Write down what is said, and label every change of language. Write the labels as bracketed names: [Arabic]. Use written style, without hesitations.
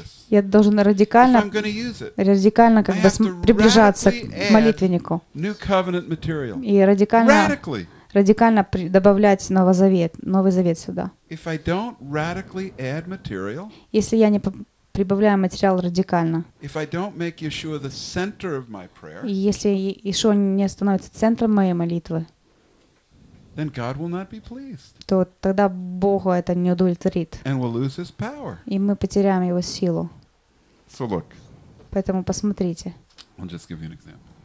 [Russian] Я должен радикально как бы приближаться к молитвеннику и радикально добавлять Новый Завет сюда. Если я не прибавляю материал радикально. [English] If I don't make Yeshua the center of my prayer, [Russian] если Ишуа не становится центром моей молитвы, [English] then God will not be pleased. [Russian] То тогда Богу это не удовлетворит. [English] And we'll lose his power. [Russian] И мы потеряем его силу. [English] So look. [Russian] Поэтому посмотрите. [English] I'll just give you an example.